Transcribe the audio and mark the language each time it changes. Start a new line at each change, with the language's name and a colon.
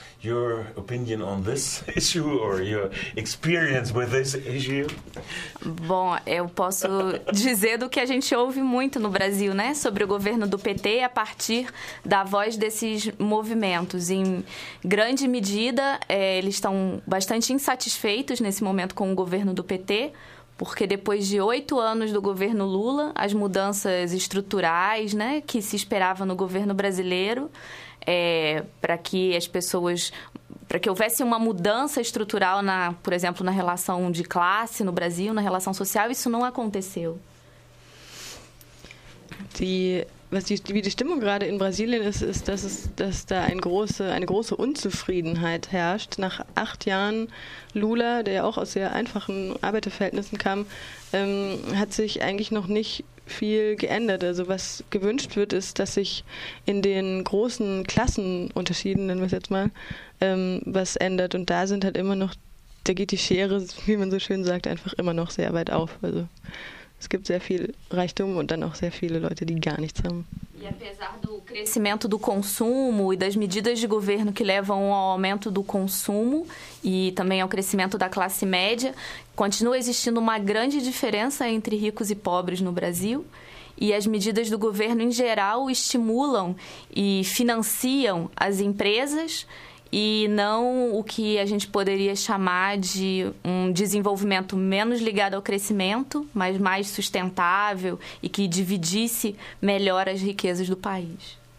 English: Your opinion on this issue or your experience with this issue?
Portuguese: Bom, eu posso dizer do que a gente ouve muito no Brasil, né? Sobre o governo do PT a partir da voz desses movimentos. Em grande medida, eles estão bastante insatisfeitos nesse momento com o governo do PT, porque depois de 8 anos do governo Lula, as mudanças estruturais, né, que se esperava no governo brasileiro, para que as pessoas, para que houvesse uma mudança estrutural, por exemplo, na relação de classe no Brasil, na relação social, isso não aconteceu.
German: Wie die Stimmung gerade in Brasilien ist, ist, dass da eine große Unzufriedenheit herrscht. Nach 8 Jahren Lula, der ja auch aus sehr einfachen Arbeiterverhältnissen kam, hat sich eigentlich noch nicht viel geändert. Also was gewünscht wird, ist, dass sich in den großen Klassenunterschieden, nennen wir es jetzt mal, was ändert. Und da sind halt immer noch, da geht die Schere, wie man so schön sagt, einfach immer noch sehr weit auf. Also es gibt sehr viel Reichtum und dann auch sehr viele Leute, die gar nichts haben.
Portuguese: E apesar do crescimento do consumo e das medidas de governo que levam ao aumento do consumo e também ao crescimento da classe média, continua existindo uma grande diferença entre ricos e pobres no Brasil. E as medidas do governo em geral estimulam e financiam as empresas e não o que a gente poderia chamar de um desenvolvimento menos ligado ao crescimento, mas mais sustentável e que dividisse melhor as riquezas do país.